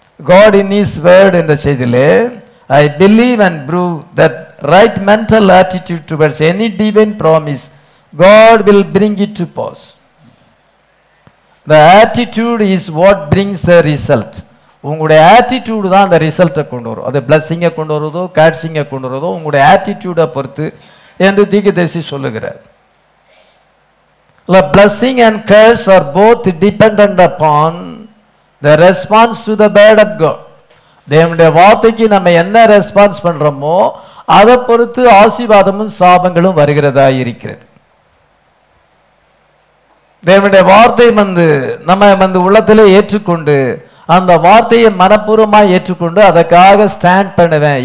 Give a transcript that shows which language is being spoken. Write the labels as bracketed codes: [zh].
[en] God in His Word [ta] என்ற செய்திலே, [en] I believe and prove that right mental attitude towards any divine promise, God will bring it to pass. The attitude is what brings the result. [ta] உங்களுடைய attitude தான் அந்த ரிசல்ட்டை கொண்டு வரும். அது பிளஸ்ஸிங்கை கொண்டு வருவதோ கேட்சிங்கை கொண்டு வருவதோ உங்களுடைய ஆட்டிடியூடை பொறுத்து என்று தீர்க்கதரிசி சொல்லுகிறார். [en] The blessing and curse are both dependent upon the response to the word of God. [ta] தேவனுடைய வார்த்தைக்கு நம்ம என்ன ரெஸ்பான்ஸ் பண்றோமோ அதை பொறுத்து ஆசீர்வாதமும் சாபங்களும் வருகிறதா இருக்கிறது. தேவனுடைய வார்த்தை வந்து நம்ம வந்து உள்ளத்திலே ஏற்றுக்கொண்டு அந்த வார்த்தையை மனப்பூர்வமாக ஏற்றுக்கொண்டு அதற்காக ஸ்டாண்ட் பண்ணுவேன்.